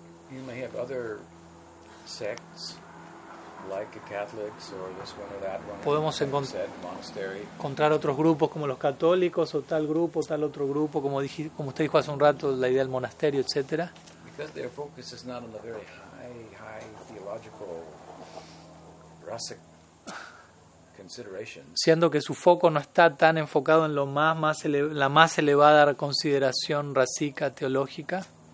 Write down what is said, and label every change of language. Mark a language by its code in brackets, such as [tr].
[en] you may have other sects like the Catholics or this one or that one. [es] Podemos encontrar otros grupos como los católicos o tal grupo, tal otro grupo, como usted dijo hace un rato, la idea del monasterio, etcétera. [en] Because their focus is not on the very high theological rustic considerations. [es] Siendo que su foco no está tan enfocado en lo la más elevada consideración rásica teológica.